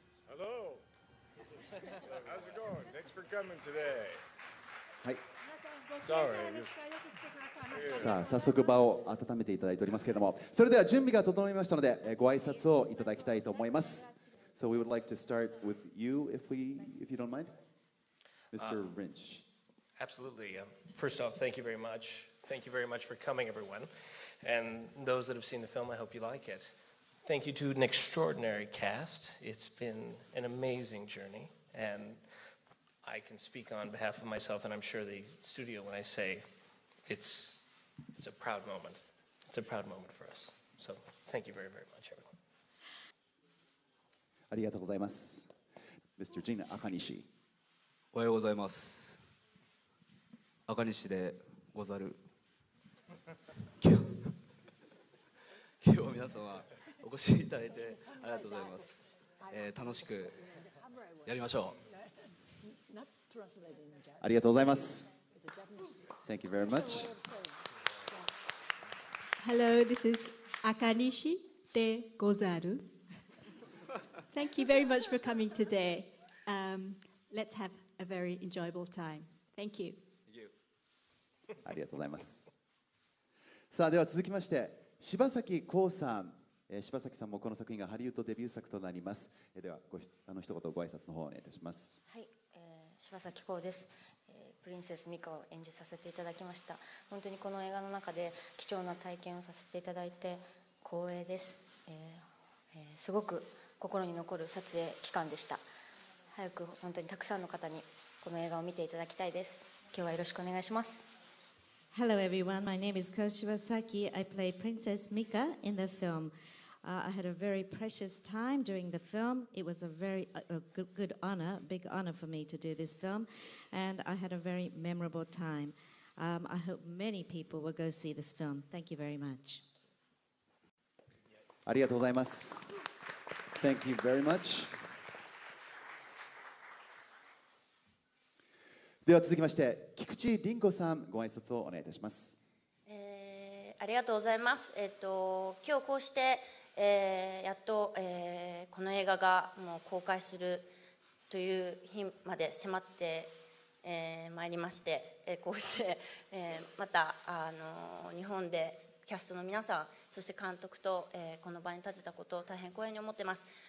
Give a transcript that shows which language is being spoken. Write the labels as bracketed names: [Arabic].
[English] Hello! How's it going? Thanks for coming today! [Japanese] はい。 [English] Sorry. [Japanese] さあ、早速場を温めていただいておりますけれども、それでは準備が整いましたので、ご挨拶をいただきたいと思います。 [English] So we would like to start with you, if you don't mind, Mr. Rinsch. Absolutely. First off, thank you very much. Thank you very much for coming, everyone. And those that have seen the film, I hope you like it. Thank you to an extraordinary cast. It's been an amazing journey. And I can speak on behalf of myself and I'm sure the studio when I say it's a proud moment. It's a proud moment for us. So thank you very, very much, everyone. [Japanese] ありがとうございます。 [English] Mr. Jin Akanishi. [Japanese] おはようございます。赤西でござる今日は皆様お越しいただいてありがとうございます、楽しくやりましょうありがとうございます [English] Thank you very much Hello, this is [Japanese] 赤西でござる [English] Thank you very much for coming today、Let's have a very enjoyable time Thank you [Japanese] ありがとうございますさあでは続きまして柴崎幸さん、柴崎さんもこの作品がハリウッドデビュー作となります、ではごあの一言ご挨拶の方をお願いいたしますはい、柴崎幸です、プリンセスミカを演じさせていただきました本当にこの映画の中で貴重な体験をさせていただいて光栄です、すごく心に残る撮影期間でした早く本当にたくさんの方にこの映画を見ていただきたいです今日はよろしくお願いします [English] Hello everyone, my name is Ko Shibasaki. I play Princess Mika in the film. I had a very precious time during the film. It was a very good honor, big honor for me to do this film, and I had a very memorable time. I hope many people will go see this film. Thank you very much. [Japanese] ありがとうございます。 [English] Thank you very much. [Japanese] では続きまして、菊池凛子さん、ご挨拶をお願いいたします。ありがとうございます。今日こうして、やっと、この映画がもう公開するという日まで迫って、まいりまして、こうして、また日本でキャストの皆さん、そして監督と、この場に立てたことを大変光栄に思っています。